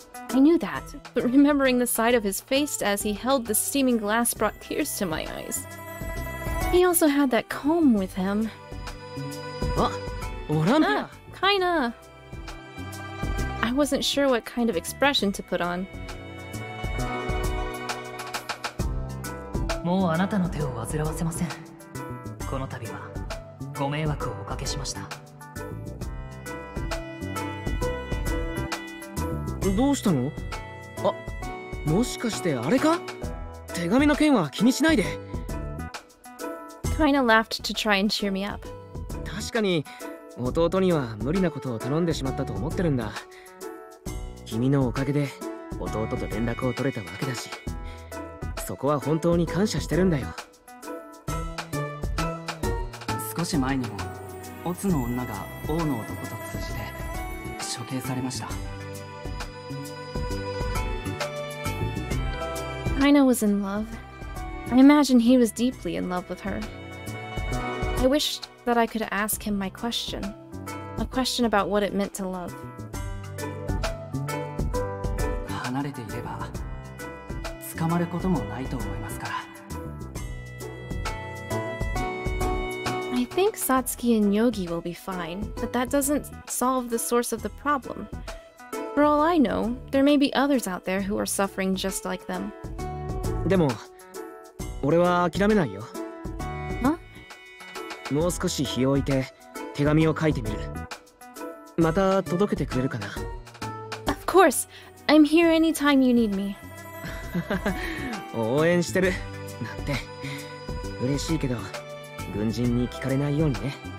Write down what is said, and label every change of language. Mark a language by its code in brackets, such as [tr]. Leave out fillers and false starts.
[en] I knew that, but remembering the sight of his face as he held the steaming glass brought tears to my eyes. He also had that comb with him. Olympia! Kaina! I wasn't sure what kind of expression to put on. [ja] もうあなたの手を煩わせません。この度はご迷惑をおかけしました。どうしたの？あ、もしかしてあれか？手紙の件は気にしないで。 [en] Kaina laughed to try and cheer me up. [ja] 確かに弟には無理なことを頼んでしまったと思ってるんだ。君のおかげで弟と連絡を取れたわけだし、そこは本当に感謝してるんだよ。少し前にもオツの女が王の男と通じて処刑されました。 [en] Kaina was in love. I imagine he was deeply in love with her. I wished that I could ask him my question, a question about what it meant to love. [ja] 離れていれば捕まることもないと思いますから。 [en] I think Satsuki and Yogi will be fine, but that doesn't solve the source of the problem. For all I know, there may be others out there who are suffering just like them. [ja] でも俺は諦めないよ。 [en] Huh? [ja] もう少し日を置いて手紙を書いてみる。また届けてくれるかな。 [en] Of course! I'm here anytime you need me. [ja] 応援してるなんて嬉しいけど、軍人に聞かれないようにね。